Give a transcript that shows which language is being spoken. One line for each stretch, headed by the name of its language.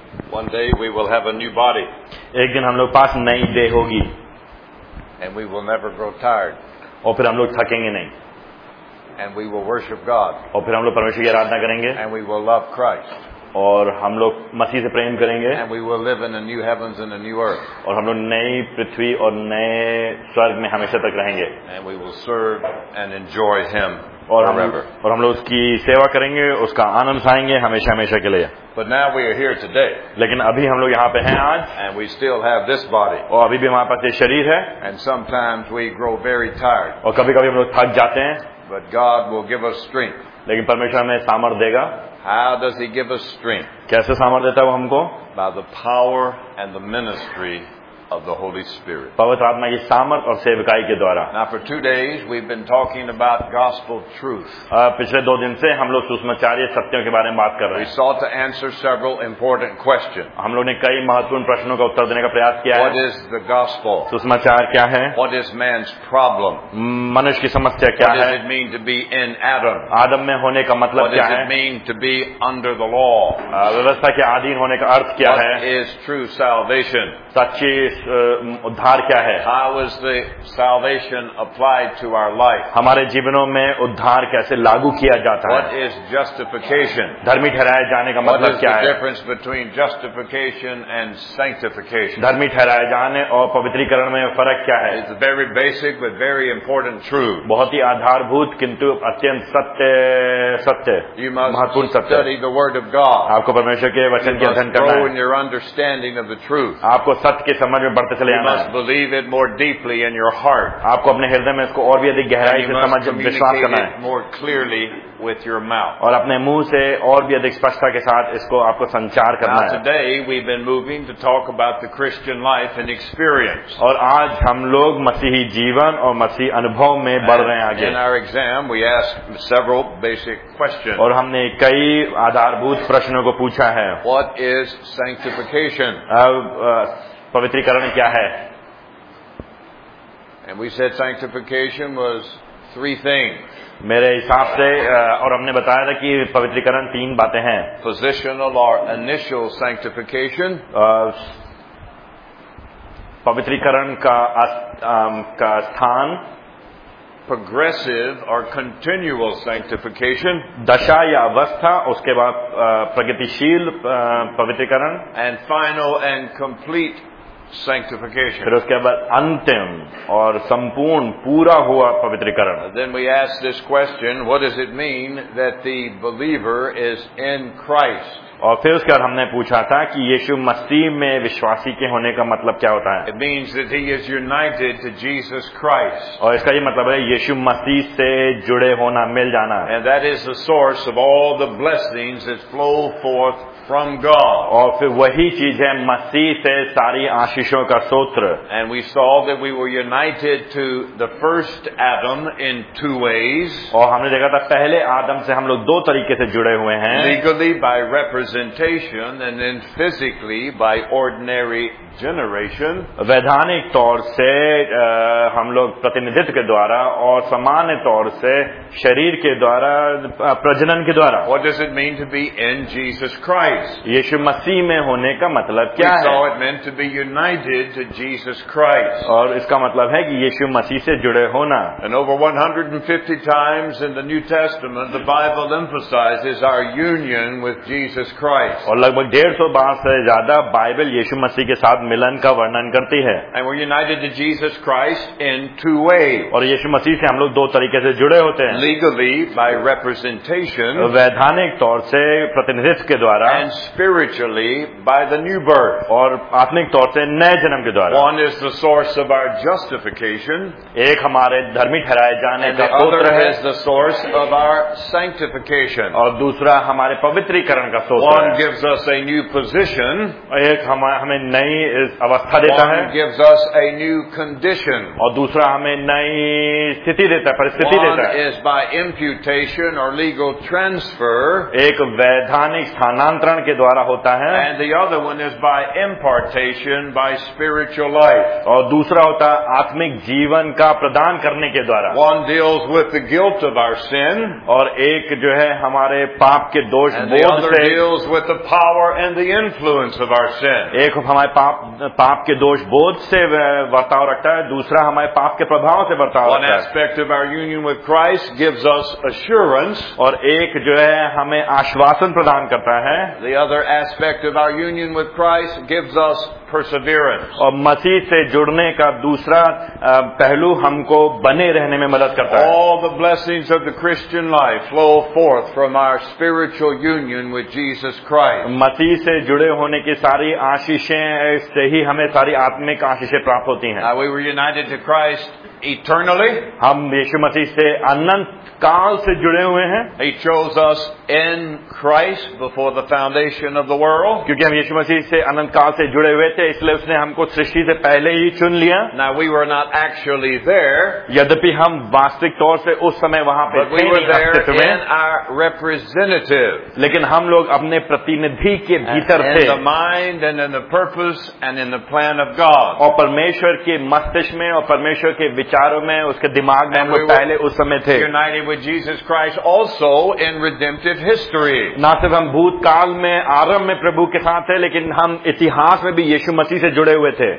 English: One day we will have a new body.
Hindi: एक दिन हम लोग पास नई देह होगी.
English: And we will never grow tired.
Hindi: और फिर हम लोग थकेंगे नहीं.
English: And we will worship God.
Hindi: और फिर हम लोग परमेश्वर की आराधना करेंगे.
English: And we will love Christ.
Hindi: और हम लोग मसीह से प्रेम करेंगे.
English: And we will live in a new heavens and a new earth.
Hindi: और हम लोग नई पृथ्वी और नए स्वर्ग में हमेशा तक रहेंगे.
English: And we will serve and enjoy Him.
Hindi: और हम लोग उसकी सेवा करेंगे, उसका आनंद उठाएंगे हमेशा हमेशा के लिए.
English: But now we are here today.
Hindi: लेकिन अभी हम लोग यहाँ पे हैं आज.
English: And we still have this body.
Hindi: और अभी भी हमारे पास ये शरीर है.
English: And sometimes we grow very tired.
Hindi: और कभी कभी हम लोग थक जाते हैं.
English: But God will give us strength.
Hindi: लेकिन परमेश्वर हमें सामर्थ देगा.
English: How does He give us strength?
Hindi: कैसे सामर्थ देता है वो हमको?
English: By the power and the ministry of the Holy Spirit.
Hindi: पवित्र आत्मा की सामर्थ और सेवकाई के द्वारा.
English: Now for 2 days we've been talking about gospel truth.
Hindi: पिछले दो दिन से हम लोग सुसमाचार सत्यों के बारे में बात कर रहे हैं.
English: We sought to answer several important questions.
Hindi: हम लोग ने कई महत्वपूर्ण प्रश्नों का उत्तर देने का प्रयास किया.
English: What is the gospel?
Hindi: सुसमाचार क्या है?
English: What is man's problem?
Hindi: मनुष्य की समस्या क्या है?
English: What does it mean to be in Adam?
Hindi: आदम में होने का मतलब क्या है?
English: What does it mean to be under the law?
Hindi: व्यवस्था के अधीन होने का अर्थ क्या है?
English: What is true salvation?
Hindi: सच्ची उद्धार क्या है?
English: How is the salvation applied to our life?
Hindi: हमारे जीवनों में उद्धार कैसे लागू किया जाता है?
English: What is justification?
Hindi: धर्मी ठहराए जाने का मतलब क्या है?
English: Difference between justification and sanctification?
Hindi: धर्मी ठहराए जाने और पवित्रीकरण में फर्क क्या है?
English: It's very basic but very important truth.
Hindi: बहुत ही आधारभूत किंतु अत्यंत सत्य महत्वपूर्ण सत्य.
English: Study the word of God.
Hindi: आपको परमेश्वर के वचन के अध्ययन करना है.
English: Grow in your understanding of the truth.
Hindi: आपको सत्य के समझ में बढ़ते चले आना.
English: You must believe it more deeply in your heart.
Hindi: आपको अपने हृदय में इसको और भी अधिक गहराई से समझ विश्वास करना है.
English: More clearly with your mouth.
Hindi: और अपने मुंह से और भी अधिक स्पष्टता के साथ इसको आपको संचार करना है.
English: Today we've been moving to talk about the Christian life and experience.
Hindi: और आज हम लोग मसीही जीवन और मसीही अनुभव में बढ़ रहे हैं आगे.
English: In our exam we asked several basic questions.
Hindi: और हमने कई आधारभूत प्रश्नों को पूछा है.
English: What is sanctification?
Hindi: पवित्रीकरण क्या है?
English: And we said sanctification was three things.
Hindi: मेरे हिसाब से और हमने बताया था कि पवित्रीकरण तीन बातें हैं.
English: Positional or initial sanctification.
Hindi: पवित्रीकरण का स्थान.
English: Progressive or continual sanctification.
Hindi: दशा या अवस्था, उसके बाद प्रगतिशील पवित्रीकरण.
English: And final and complete sanctification.
Hindi: फिर उसके बाद अंतिम और संपूर्ण पूरा हुआ पवित्रीकरण.
English: Then we ask this question, what does it mean that the believer is in Christ?
Hindi: और फिर उसके बाद हमने पूछा था कि यीशु मसीह में विश्वासी के होने का मतलब क्या होता है?
English: It means that he is united to Jesus Christ.
Hindi: और इसका ये मतलब है यीशु मसीह से जुड़े होना, मिल जाना.
English: And that is the source of all the blessings that flow forth from God.
Hindi: और फिर वही चीज है मसीह से सारी आशीषों का सूत्र.
English: And we saw that we were united to the first Adam in two ways.
Hindi: और हमने देखा था पहले आदम से हम लोग दो तरीके से जुड़े हुए हैं.
English: Legally by representation and then physically by ordinary generation.
Hindi: वैधानिक तौर से हम लोग प्रतिनिधित्व के द्वारा और सामान्य तौर से शरीर के द्वारा प्रजनन के द्वारा.
English: What does it mean to be in Jesus Christ?
Hindi: यीशु मसीह में होने का मतलब क्या है?
English: We saw it meant to be united to Jesus Christ.
Hindi: और इसका मतलब है कि यीशु मसीह से जुड़े होना.
English: And over 150 times in the New Testament, the Bible emphasizes our union with Jesus Christ.
Hindi: और लगभग 150 बार से ज्यादा बाइबल यीशु मसीह के साथ मिलन का वर्णन करती है.
English: And we're united to Jesus Christ in two ways.
Hindi: और यीशु मसीह से हम लोग दो तरीके से जुड़े होते हैं.
English: Legally by representation.
Hindi: वैधानिक तौर से प्रतिनिधित्व के द्वारा.
English: And spiritually by the new birth.
Hindi: और आत्मिक तौर से नए जन्म के द्वारा.
English: One is the source of our justification.
Hindi: एक हमारे धर्मी ठहराए जाने का सूत्र है.
English: Is the source of our sanctification.
Hindi: और दूसरा हमारे पवित्रीकरण का सूत्र.
English: One gives us a new position.
Hindi: एक हमें नई अवस्था देता है.
English: One gives us a new condition.
Hindi: और दूसरा हमें नई स्थिति देता है, परिस्थिति देता है.
English: One is by imputation or legal transfer.
Hindi: एक वैधानिक स्थान के द्वारा होता है.
English: And the other one is by impartation, by my spiritual life.
Hindi: और दूसरा होता है आत्मिक जीवन का प्रदान करने के द्वारा.
English: One deals with the guilt of our sin.
Hindi: और एक जो है हमारे पाप के दोष बोध से.
English: And the other deals with the power and the influence of our sin.
Hindi: एक हमारे पाप के दोष बोध से बर्ताव रखता है, दूसरा हमारे पाप के प्रभाव से बर्ताव रखता है.
English: One aspect of our union with Christ gives us assurance.
Hindi: और एक जो है हमें आश्वासन प्रदान करता है.
English: The other aspect of our union with Christ gives us perseverance.
Hindi: और मसीह से जुड़ने का दूसरा पहलू हमको बने रहने में मदद करता है.
English: All the blessings of the Christian life flow forth from our spiritual union with Jesus Christ.
Hindi: मसीह से जुड़े होने की सारी आशीषें से ही हमें सारी आत्मिक आशीषें प्राप्त होती हैं.
English: Now we were united to Christ eternally.
Hindi: हम यीशु मसीह से अनंत काल से जुड़े हुए हैं.
English: He chose us in Christ before the foundation of the world.
Hindi: क्योंकि हम यीशु मसीह से अनंत काल से जुड़े हुए थे, इसलिए उसने हमको सृष्टि से पहले ही चुन लिया.
English: Now we were not actually there.
Hindi: यद्यपि हम वास्तविक तौर से उस समय वहां पर थे,
English: but we were there in our representative.
Hindi: लेकिन हम लोग अपने प्रतिनिधि के भीतर थे.
English: In the mind and in the purpose and in the plan of God.
Hindi: और परमेश्वर के मस्तिष्क में और परमेश्वर के विचारों में, उसके दिमाग में हम लोग पहले उस समय थे.
English: United with Jesus Christ also in redemptive history.
Hindi: ना सिर्फ हम भूतकाल में आरंभ में प्रभु के साथ थे, लेकिन हम इतिहास में भी यीशु मसीह से जुड़े हुए थे.